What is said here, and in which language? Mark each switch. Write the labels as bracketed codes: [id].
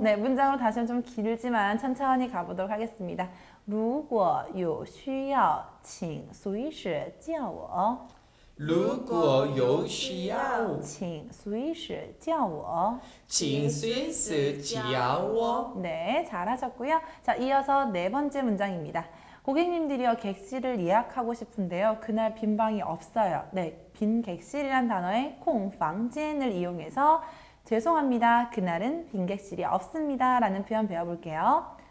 [ko] 네, 문장으로 다시 좀 길지만 천천히 가보도록 하겠습니다. [zh] 如果有需要,请随时叫我.如果有需要,请随时叫我.请随时叫我. [ko] 네, 잘하셨고요. 자, 이어서 네 번째 문장입니다. 고객님들이요, 객실을 예약하고 싶은데요, 그날 빈 방이 없어요. 네, 빈 객실이란 단어에 공방진을 이용해서 죄송합니다, 그날은 빈 객실이 없습니다 라는 표현 배워볼게요.